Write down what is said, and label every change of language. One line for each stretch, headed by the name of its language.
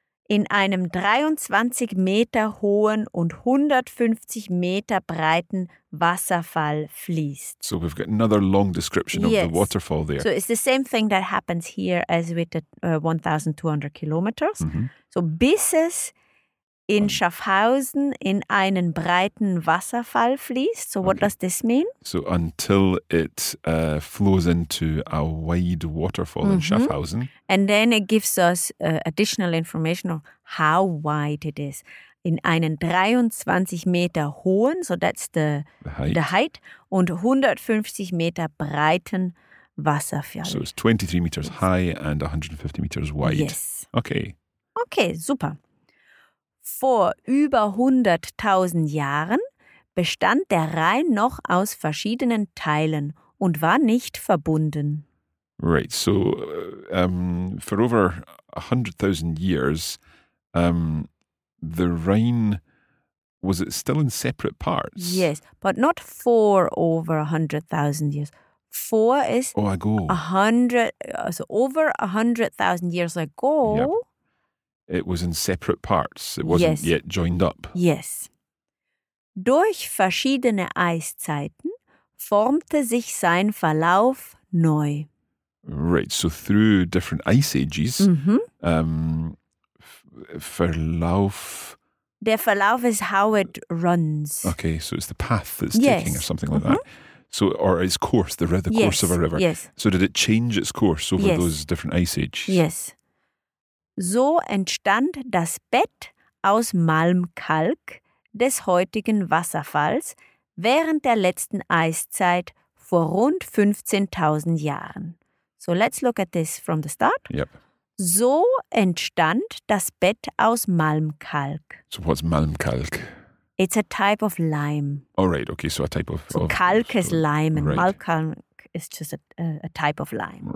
German: in einem 23 Meter hohen und 150 Meter breiten Wasserfall fließt.
English: So we've got another long description of the waterfall there. So it's the same thing that happens here as with the 1,200 kilometers. Mm-hmm.
German: So bis es in Schaffhausen in einen breiten Wasserfall fließt.
English: So what does this mean? So until it flows into a wide waterfall in Schaffhausen. And then it gives us additional information of how wide it is. In einen 23 Meter hohen, so that's the height, und 150 Meter breiten Wasserfall. So it's 23 meters high and 150 meters wide. Yes. Okay. Okay, super.
German: Vor über 100.000 Jahren bestand der Rhein noch aus verschiedenen Teilen und war nicht verbunden.
English: Right, so for over 100.000 years, the Rhine, was it still in separate parts? Yes, but not for over 100.000 years. For is ago. 100, so over 100.000 years ago. Yep. It was in separate parts. It wasn't yet joined up. Yes.
German: Durch verschiedene Eiszeiten formte sich sein Verlauf neu.
English: Right. So through different ice ages, Verlauf. Der Verlauf is how it runs. Okay. So it's the path that's taking or something like that. So, or its course, the course of a river. Yes. So did it change its course over those different ice ages? Yes.
German: So entstand das Bett aus Malmkalk des heutigen Wasserfalls während der letzten Eiszeit vor rund 15.000 Jahren.
English: So let's look at this from the start. Yep.
German: So entstand das Bett aus Malmkalk.
English: So what's Malmkalk? It's a type of lime. Oh, right. Okay, so a type of... So kalk is lime and Malmkalk is just a type of lime.